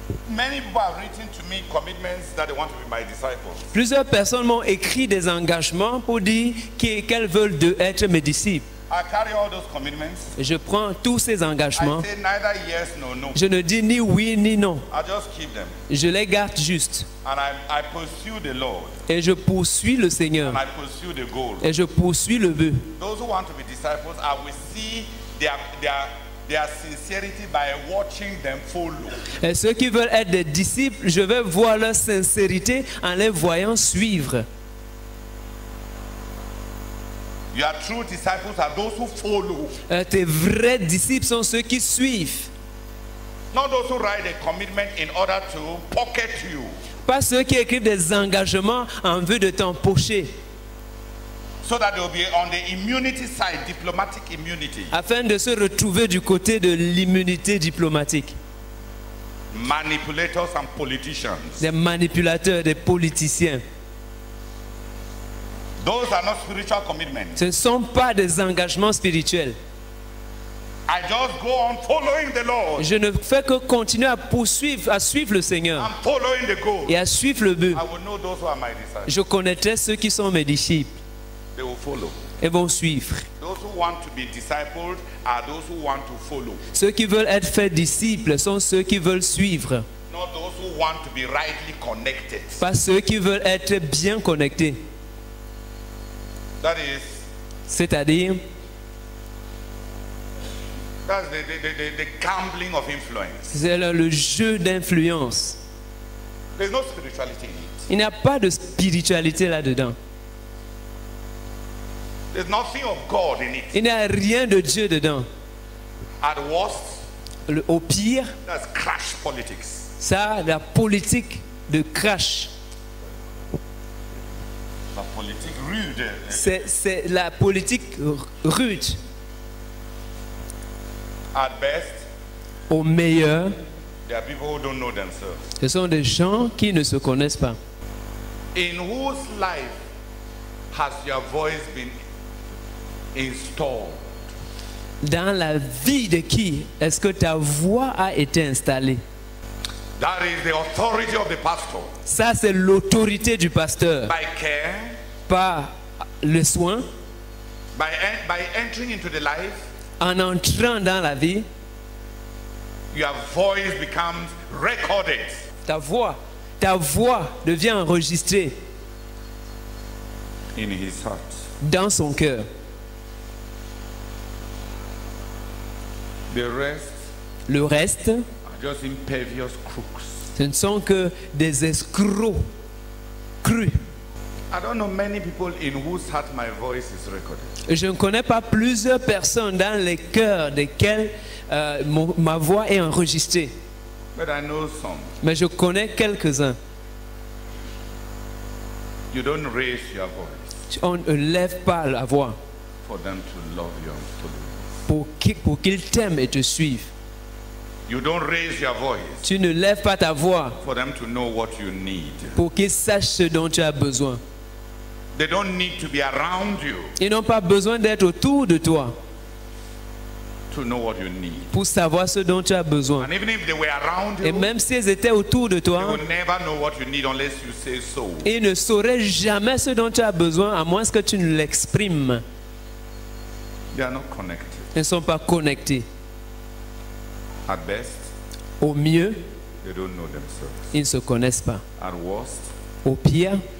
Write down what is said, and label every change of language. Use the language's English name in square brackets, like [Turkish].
[English] Many people have written to me commitments that they want to be my disciples. [French] Plusieurs personnes m'ont écrit des engagements pour dire qu'elles veulent être mes disciples. [English] I carry all those commitments. [French] Je prends tous ces engagements. [English] I say neither yes nor no. [French] Je ne dis ni oui ni non. [English] I just keep them. [French] Je les garde juste. [English] And I pursue the Lord. [French] Et je poursuis le Seigneur. [English] And I pursue the goal. [French] Et je poursuis le but. [English] Those who want to be disciples, I will see their sincerity by watching them follow. [French] Et ceux qui veulent être des disciples, je vais voir leur sincérité en les voyant suivre. [English] Your true disciples are those who follow. [French] Tes vrais disciples sont ceux qui suivent. [English] Not those who write a commitment in order to pocket you. [French] Pas ceux qui écrivent des engagements en vue de t'empocher. [English] So that they'll be on the immunity side, diplomatic immunity. [French] Afin de se retrouver du côté de l'immunité diplomatique. [English] Manipulators and politicians. [French] Des manipulateurs, des politiciens. [English] Those are not spiritual commitments. [French] Ce ne sont pas des engagements spirituels. [English] I just go on following the Lord. [French] Je ne fais que continuer à poursuivre, à suivre le Seigneur. [English] I'm following the goal. [French] Et à suivre le but. [English] I will know those who are my disciples. [French] Je connaîtrai ceux qui sont mes disciples. [English] They will follow. [French] Et vont suivre. [English] Those who want to be discipled are those who want to follow. [French] Ceux qui veulent être faits disciples sont ceux qui veulent suivre. [English] Not those who want to be rightly connected. [French] Pas ceux qui veulent être bien connectés. [English] That is, [French] c'est-à-dire, [English] that's the gambling of influence. [French] C'est le jeu d'influence. [English] There's no spirituality in it. [French] Il n'y a pas de spiritualité là-dedans. [English] There's nothing of God in it. [French] Il n'y a rien de Dieu dedans. [English] At worst, [French] au pire, [English] that's crash politics. [French] Ça, la politique de crash. La politique rude. C'est la politique rude. [English] At best, [French] au meilleur, [English] there are people who don't know themselves. [French] Ce sont des gens qui ne se connaissent pas. [English] In whose life has your voice been installed? [French] Dans la vie de qui est-ce que ta voix a été installée? [English] That is the authority of the pastor. [French] Ça, c'est l'autorité du pasteur. [English] By care, [French] par le soin, [English] by entering into the life, [French] en entrant dans la vie, [English] your voice becomes recorded. [French] Ta voix devient enregistrée [English] in his heart. [French] Dans son cœur. Le reste [English] are just impervious crooks. [French] Ce ne sont que des escrocs crus. [English] I don't know many people in whose heart my voice is recorded. [French] Je ne connais pas plusieurs personnes dans les cœurs desquels ma voix est enregistrée. [English] But I know some. [French] Mais je connais quelques-uns. [English] You don't raise your voice. [French] On ne lève pas la voix. [English] For them to love you and follow you. [French] Pour qu'ils t'aiment et te suivent. [English] You don't raise your voice. [French] Tu ne lèves pas ta voix. [English] For them to know what you need. [French] Pour qu'ils sachent ce dont tu as besoin. [English] They don't need to be around you. [French] Ils n'ont pas besoin d'être autour de toi. [English] To know what you need. [French] Pour savoir ce dont tu as besoin. [English] And even if they were around you, [French] et même si ils étaient autour de toi, [English] they will never know what you need unless you say so. [French] Ils ne sauraient jamais ce dont tu as besoin à moins que tu ne l'exprimes. [English] They are not connected. [French] Ils ne sont pas connectés. [English] At best, [French] au mieux, [English] they don't know themselves. [French] Ils ne se connaissent pas. [English] At worst, [French] au pire,